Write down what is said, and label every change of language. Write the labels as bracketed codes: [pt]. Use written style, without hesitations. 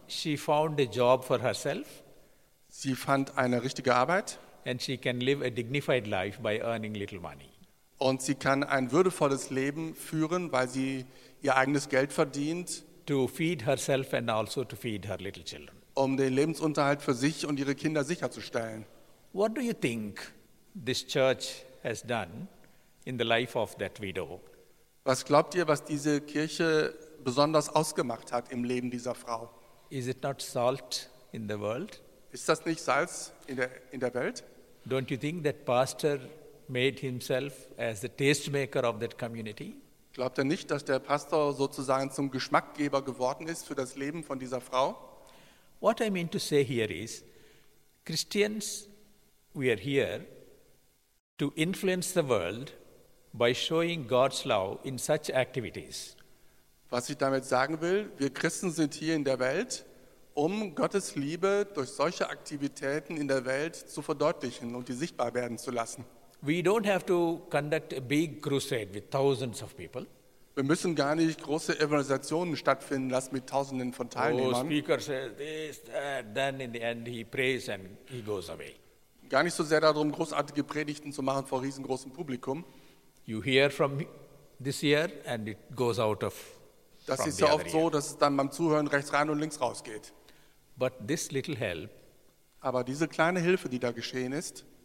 [en] She found a job for herself. [de] Sie fand eine richtige Arbeit. [en] And she can live a dignified life by earning little money. [de] Und sie kann ein würdevolles Leben führen, weil sie ihr eigenes Geld verdient. [en] To feed herself and also to feed her little children. [de] Um den Lebensunterhalt für sich und ihre Kinder sicherzustellen. [en] What do you think this church has done in the life of that widow? [de] Was glaubt ihr, was diese Kirche besonders ausgemacht hat im Leben dieser Frau? [en] Is it not salt in the world? [de] Ist das nicht Salz in der Welt? [en] Don't you think that pastor made himself as the tastemaker of that community? [de] Glaubt ihr nicht, dass der Pastor sozusagen zum Geschmackgeber geworden ist für das Leben von dieser Frau? [en] What I mean to say here is, Christians, we are here to influence the world by showing God's love in such activities. [de] Was ich damit sagen will, wir Christen sind hier in der Welt, um Gottes Liebe durch solche Aktivitäten in der Welt zu verdeutlichen und die sichtbar werden zu lassen. [en] We don't have to conduct a big crusade with thousands of people. [de] Wir müssen gar nicht große Evangelisationen stattfinden lassen mit Tausenden von Teilnehmern. [en] Oh, speaker says this, that, then in the end he prays and he goes away. [de] Gar nicht so sehr darum, großartige Predigten zu machen vor riesengroßem Publikum. [en] You hear from this ear and it goes out of. [de] Das ist ja oft so, dass es dann beim Zuhören rechts rein und links rausgeht. [en] But this little help. [de] Aber diese kleine Hilfe, die da geschehen ist.